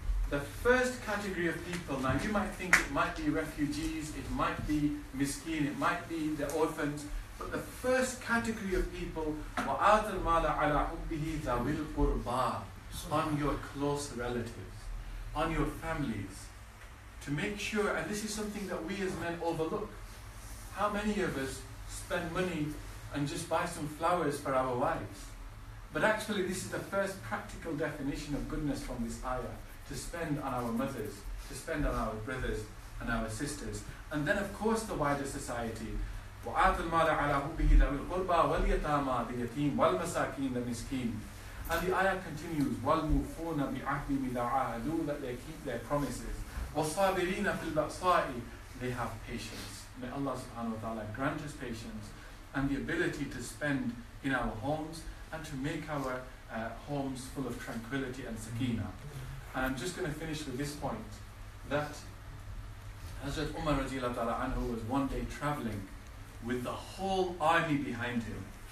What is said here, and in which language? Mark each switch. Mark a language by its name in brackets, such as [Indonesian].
[English] The first category of people, now you might think it might be refugees, it might be miskeen, it might be the orphans, but the first category of people, [Arabic] وَآتَ الْمَالَ عَلَىٰ حُبِّهِ ذَوِي الْقُرْبَىٰ [English] On your close relatives, on your families, to make sure, and this is something that we as men overlook, how many of us spend money and just buy some flowers for our wives. But actually this is the first practical definition of goodness from this ayah, to spend on our mothers, to spend on our brothers and our sisters. And then of course the wider society. [Arabic] وَآتَ الْمَالَ عَلَىٰ حُبِّهِ ذَوِي الْقُرْبَىٰ وَالْيَتَامَىٰ الْيَتِيمِ وَالْمَسَاكِينِ الْمِسْكِينِ [English] And the ayah continues, [Arabic] وَالْمُوفُونَ بِعَهْدِهِمْ إِذَا عَاهَدُوا [English] That they keep their promises. [Arabic] وَالصَّابِرِينَ فِي الْبَأْسَاءِ [English] They have patience. May Allah subhanahu wa ta'ala grant us patience. And the ability to spend in our homes and to make our homes full of tranquility and sakina. And I'm just going to finish with this point that Hazrat Umar radiallahu ta'ala anhu was one day traveling with the whole army behind him.